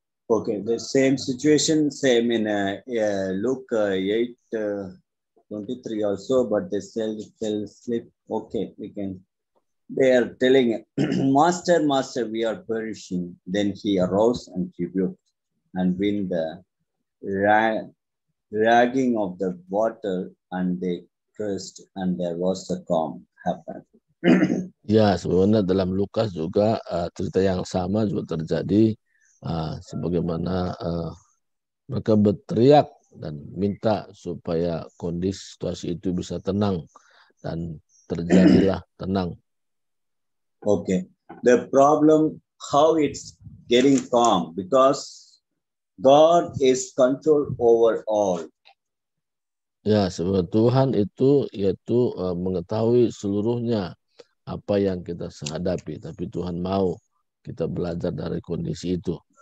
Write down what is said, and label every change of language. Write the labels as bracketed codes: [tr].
[en] Okay, the same situation, same in Luke 8:23 also, but they still sleep. Okay, we can. They are telling, Master, Master, we are perishing. Then he arose and rebuked and wind the ragging of the water, and they cursed, and there was a calm happened. [id] Ya, sebenarnya dalam Lukas juga cerita yang sama juga terjadi. Sebagaimana mereka berteriak dan minta supaya kondisi situasi itu bisa tenang, dan terjadilah tenang. [en] Okay, the problem how it's getting calm, because God is control over all. [id] Ya, sebab Tuhan itu yaitu mengetahui seluruhnya apa yang kita hadapi, tapi Tuhan mau kita belajar dari kondisi itu.